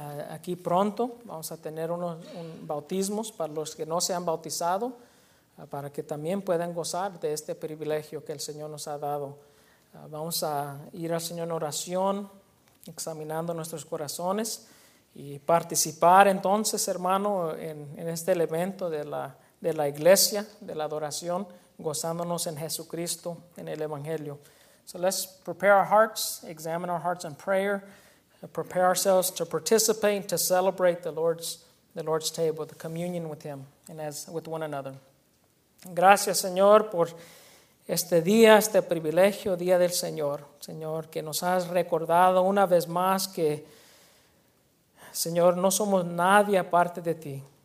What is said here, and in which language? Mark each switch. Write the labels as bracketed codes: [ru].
[es] Aquí pronto vamos a tener un bautismos para los que no se han bautizado, para que también puedan gozar de este privilegio que el Señor nos ha dado. Vamos a ir al Señor en oración, examinando nuestros corazones y participar entonces, hermano, en este elemento de la iglesia, de la adoración, gozándonos en Jesucristo, en el Evangelio. [en] So let's prepare our hearts, examine our hearts in prayer, prepare ourselves to participate, to celebrate the Lord's table, the communion with Him and as with one another. [es] Gracias, Señor, por este día, este privilegio, día del Señor. Señor, que nos has recordado una vez más que, Señor, no somos nadie aparte de Ti.